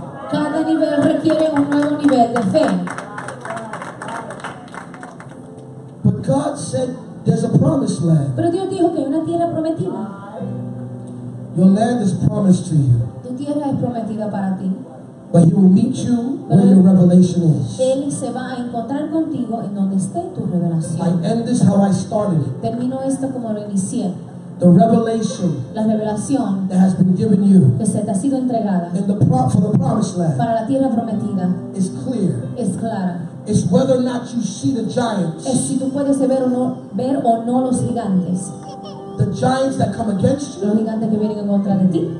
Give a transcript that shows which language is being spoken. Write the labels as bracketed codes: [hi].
[es] Cada nivel requiere un nuevo nivel de fe. [en] But God said there's a promised land. [es] Pero Dios dijo que hay una tierra prometida. [en] Your land is promised to you. [es] Tu tierra es prometida para ti. [en] But he will meet you where your revelation is. [es] Él se va a encontrar contigo en donde esté tu revelación. [en] I end this how I started it. [es] Termino esto como lo inicié. [en] the revelation [es] la revelación [en] that has been given you [es] que se te ha sido entregada [en] in the for the promised land [es] para la tierra prometida [en] is clear. [es] Es clara. [en] It's whether or not you see the giants. [es] Es si tú puedes ver o no los gigantes. [en] The giants that come against you. [es] Los gigantes que vienen en contra de ti.